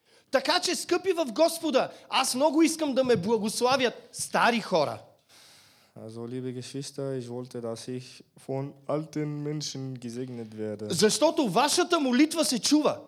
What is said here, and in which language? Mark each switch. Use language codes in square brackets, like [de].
[bg] Така че, скъпи в Господа, аз много искам да ме благославят стари хора. [de] Also, liebe Geschwister, ich wollte, dass ich von alten Menschen gesegnet werde. [bg] Защото вашата молитва се чува.